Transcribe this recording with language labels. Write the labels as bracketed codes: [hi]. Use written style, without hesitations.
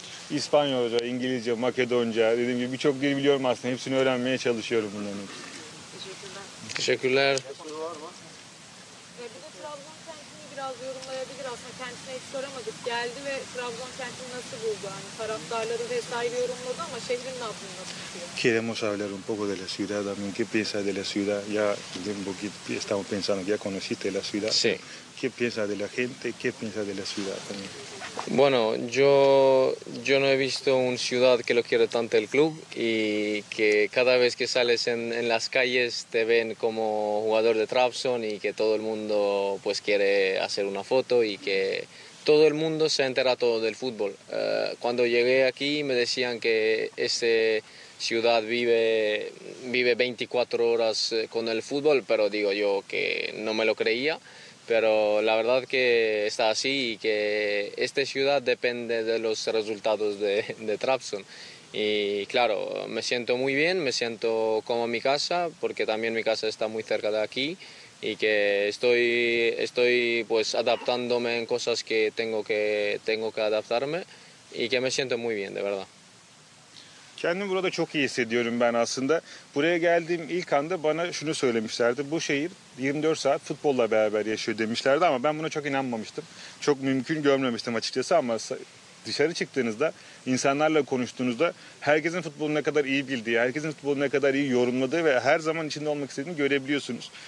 [tr] İspanyolca, İngilizce, Makedonca, dediğim gibi birçok dil biliyorum aslında. Hepsini öğrenmeye çalışıyorum bunların. Teşekkürler. Teşekkürler. Bir de Trabzon kentini biraz yorumlayabilir aslında. Kendisine hiç soramadık. Geldi ve Trabzon kentini nasıl buldu? Yani taraftarları vesaire yorumladı ama şehrin ne yapmayı nasıl tutuyor? [es] Queremos hablar un poco de la ciudad también. ¿Qué piensas de la ciudad? Ya un poquito estamos pensando que ya conociste la ciudad. Sí. ¿Qué piensas de la gente? ¿Qué piensas de la ciudad también? Bueno, yo no he visto una ciudad que lo quiere tanto el club y que cada vez que sales en las calles te ven como jugador de Trabzon y que todo el mundo pues quiere hacer una foto y que todo el mundo se entera todo del fútbol. Cuando llegué aquí me decían que esta ciudad vive 24 horas con el fútbol, pero digo yo que no me lo creía. Pero la verdad que está así y que esta ciudad depende de los resultados de Trabzon. Y claro, me siento muy bien, me siento como mi casa, porque también mi casa está muy cerca de aquí y que estoy pues adaptándome en cosas que tengo que adaptarme y que me siento muy bien, de verdad. [tr] Kendimi burada çok iyi hissediyorum ben aslında. Buraya geldiğim ilk anda bana şunu söylemişlerdi. Bu şehir 24 saat futbolla beraber yaşıyor demişlerdi ama ben buna çok inanmamıştım. Çok mümkün görmemiştim açıkçası ama dışarı çıktığınızda, insanlarla konuştuğunuzda herkesin futbolu ne kadar iyi bildiği, herkesin futbolu ne kadar iyi yorumladığı ve her zaman içinde olmak istediğini görebiliyorsunuz.